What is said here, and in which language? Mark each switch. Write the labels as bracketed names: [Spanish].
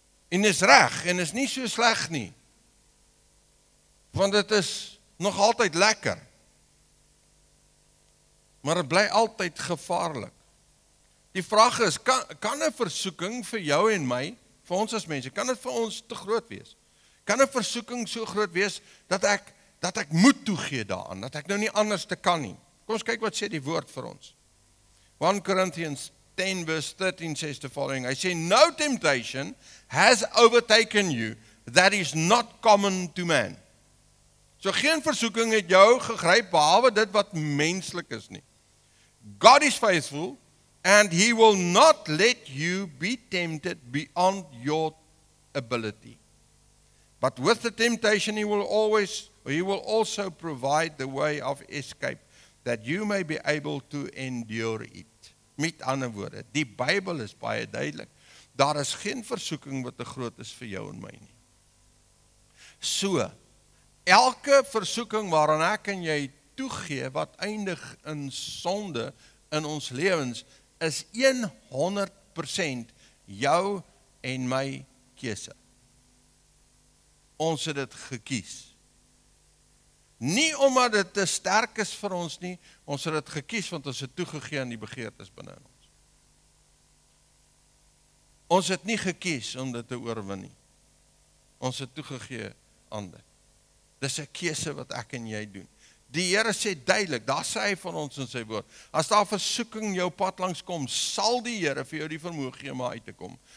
[Afrikaans] En is reg, en is nie so sleg nie, want het is nog altyd lekker, maar het bly altyd gevaarlik. Die vraag is, kan een versoeking vir jou en my, vir ons as mense, kan het vir ons te groot wees? Kan een versoeking so groot wees, dat ek moet toegee daaraan, dat ek nou nie anders te kan nie? Kom ons kyk wat sê die woord vir ons. [English] 1 Corinthians 10 verse 13 says the following, I say, no temptation has overtaken you that is not common to man. [Afrikaans] So geen versoeking het jou gegryp behalwe dit wat menslik is nie. [English] God is faithful and he will not let you be tempted beyond your ability. But with the temptation he will also provide the way of escape that you may be able to endure it. [Afrikaans] Met ander woorde, die Bybel is baie duidelik, daar is geen versoeking wat te groot is vir jou en my nie. So, elke versoeking waaraan ek en jy toegee, wat eindig in sonde in ons lewens, is 100% jou en my keuse. Ons het dit gekies. Nie omdat dit te sterk is vir ons nie, ons het dit gekies, want ons het toegegee aan die begeertes binne in ons. Ons het nie gekies om dit te oorwin nie. Ons het toegegee aan dit. Dis 'n keuse wat ek en jy doen. Die Here sê duidelik, daar sê hy van ons in sy woord, as daar versoeking jou pad langs kom, sal die Here vir jou die vermoë gee om uit te kom.